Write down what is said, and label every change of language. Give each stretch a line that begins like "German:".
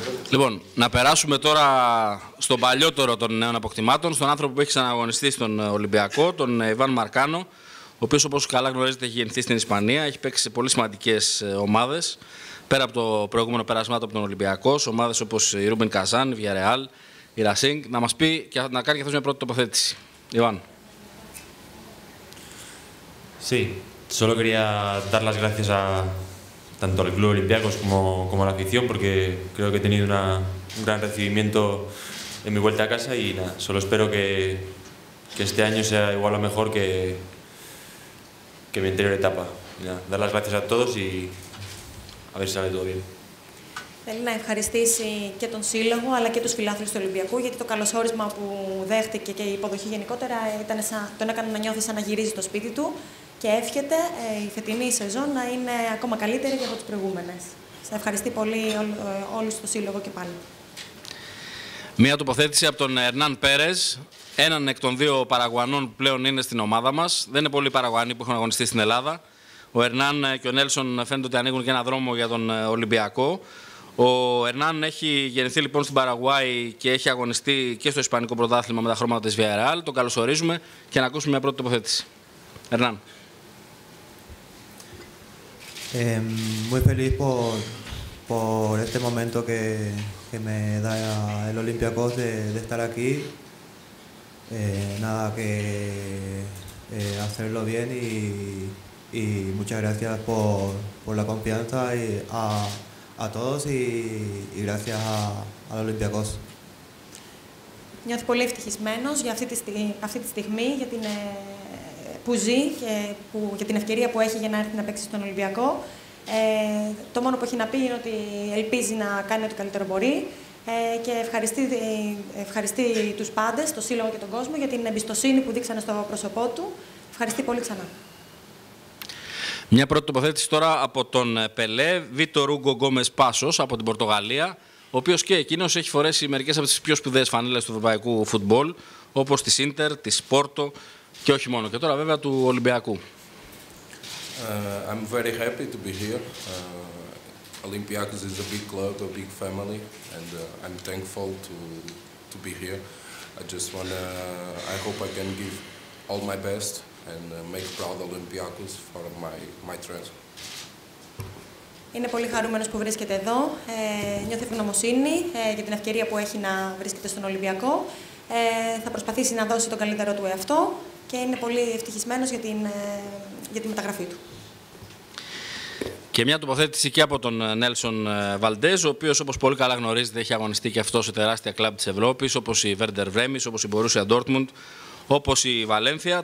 Greek: Λοιπόν, να περάσουμε τώρα στον παλιότερο των νέων αποκτημάτων, στον άνθρωπο που έχει ξαναγωνιστεί στον Ολυμπιακό, τον Ιβάν Μαρκάνο, ο οποίος όπως καλά γνωρίζετε έχει γεννηθεί στην Ισπανία, έχει παίξει σε πολύ σημαντικές ομάδες. Πέρα από το προηγούμενο περάσμα από τον Ολυμπιακό, σε ομάδες όπως η Ρούμπεν Καζάν, η Βιαρεάλ, η Ρασίνγκ, να μας πει και να κάνει και αυτός μια πρώτη τοποθέτηση. Ιβάν.
Spanish: Sí, solo quería dar las gracias a tanto al club Olympiacos como a la afición porque creo que he tenido un gran recibimiento en mi vuelta a casa y nada, solo espero que este año sea igual o mejor que mi anterior etapa. Nada, dar las gracias a todos y a ver si sale todo bien.
Greek: Θέλει να ευχαριστήσει και τον Σύλλογο αλλά και τους φιλάθλους του Ολυμπιακού γιατί το καλωσόρισμα που δέχτηκε και η υποδοχή γενικότερα ήταν σαν, τον έκανε να νιώθει σαν να γυρίζει στο σπίτι του και εύχεται η φετινή σεζόν να είναι ακόμα καλύτερη και από τις προηγούμενες. Σε ευχαριστεί πολύ όλους το Σύλλογο και πάλι. Μία τοποθέτηση από τον Ερνάν Πέρες, έναν εκ των δύο Παραγουανών που πλέον είναι στην ομάδα μας. Δεν είναι πολλοί Παραγουανοί που έχουν αγωνιστεί στην Ελλάδα. Ο Ερνάν και ο Νέλσον φαίνεται ότι ανοίγουν και ένα δρόμο για τον Ολυμπιακό. Ο Ερνάν έχει γεννηθεί λοιπόν στην Παραγουάη και έχει αγωνιστεί και στο Ισπανικό Πρωτάθλημα με τα χρώματα της Villarreal. Τον καλωσορίζουμε και να ακούσουμε μια πρώτη τοποθέτηση. Ερνάν.
Spanish: Muy feliz por este momento que me da el Olympiacos de estar aquí. Nada que hacerlo bien y muchas gracias por la confianza y a a todos y gracias al Ολυμπιακό.
Greek: Νιώθω πολύ ευτυχισμένος για αυτή τη στιγμή, για την, που ζει και που, για την ευκαιρία που έχει για να έρθει να παίξει στον Ολυμπιακό. Το μόνο που έχει να πει είναι ότι ελπίζει να κάνει ό,τι καλύτερο μπορεί και ευχαριστεί τους πάντες, το Σύλλογο και τον κόσμο, για την εμπιστοσύνη που δείξανε στο πρόσωπό του. Ευχαριστεί πολύ ξανά. Μια πρώτη τοποθέτηση τώρα από τον Πελέ, Βίτορ Ούγκο Γκόμες Πάσος από την Πορτογαλία, ο οποίος και εκείνος έχει φορέσει μερικές από τις πιο σπουδαίες φανέλες του ευρωπαϊκού φουτμπόλ, όπως τη Ίντερ, τη Πόρτο και όχι μόνο, και τώρα βέβαια του Ολυμπιακού.
English: I'm very happy to be here. Olympiacos is a big club, a big family, and I'm thankful to be here. I hope I can give all my best and make proud Olympiacos for my transfer.
Greek: Είναι πολύ χαρούμενος που βρίσκεται εδώ. Νιώθει ευγνωμοσύνη για την ευκαιρία που έχει να βρίσκεται στον Ολυμπιακό. Θα προσπαθήσει να δώσει το καλύτερο του εαυτό και είναι πολύ ευτυχισμένος για τη μεταγραφή του. Και μια τοποθέτηση και από τον Νέλσον Βαλντές, ο οποίος όπως πολύ καλά γνωρίζετε έχει αγωνιστεί και αυτό σε τεράστια κλαμπ της Ευρώπης, όπως η Βέρντερ Βρέμης, όπως η Μπορούσια Ντόρτμουντ, όπως η Βαλένθια.